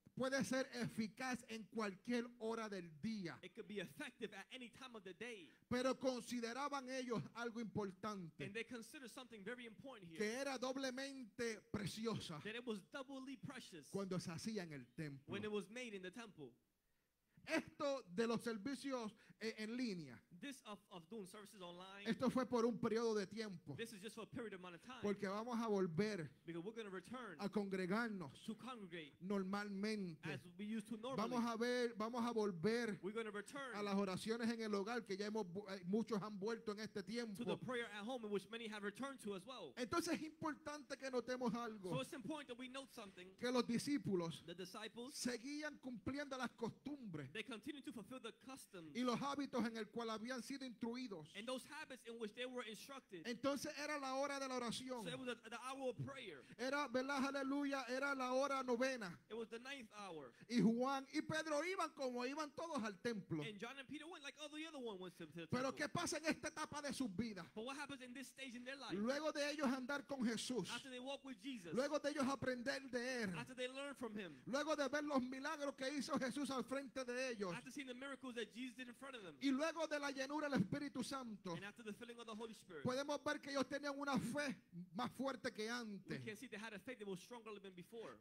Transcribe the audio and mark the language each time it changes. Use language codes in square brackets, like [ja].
[es] puede ser eficaz en cualquier hora del día. [en] It could be effective at any time of the day. [es] Pero consideraban ellos algo importante. [en] And they considered something very important here. [es] Que era doblemente preciosa. [en] That it was doubly precious. [es] Cuando se hacía en el templo. [en] When it was made in the temple. [es] Esto de los servicios en línea. [en] This of doing services online. [es] Esto fue por un periodo de tiempo. [en] This is just for a period amount of time. [es] Porque vamos a volver. [en] Because we're going to return. [es] A congregarnos. [en] To congregate. [es] Normalmente. [en] As we used to normally. [es] Vamos a volver. [en] We're going to return. [es] A las oraciones en el hogar que ya hemos muchos han vuelto en este tiempo. [en] To the prayer at home in which many have returned to as well. [es] Entonces es importante que notemos algo. [en] So it's important that we note something. [es] Que los discípulos. [en] The disciples. [es] Seguían cumpliendo las costumbres. [en] They continue to fulfill the customs. [es] Y los hábitos en el cual habían sido instruidos. [en] And those habits in which they were instructed. [es] Entonces era la hora de la oración. [en] So it was the hour of prayer. [es] Era, ¿verdad? Aleluya. Era la hora novena. [en] It was the ninth hour. [es] Y Juan y Pedro iban como iban todos al templo. [en] And John and Peter went like all the other ones went to the temple. [es] Pero ¿qué pasa en esta etapa de sus vidas? [en] But what happens in this stage in their life? [es] Luego de ellos andar con Jesús. [en] After they walk with Jesus. [es] Luego de ellos aprender de él. [en] After they learn from him. [es] Luego de ver los milagros que hizo Jesús al frente de él. [en] After seeing the miracles that Jesus did in front of them. [es] Y luego de la llenura del Espíritu Santo, [en] and after the filling of the Holy Spirit, [es] podemos ver que ellos tenían una fe más fuerte que antes. [en] We can see they had a faith that was stronger than before.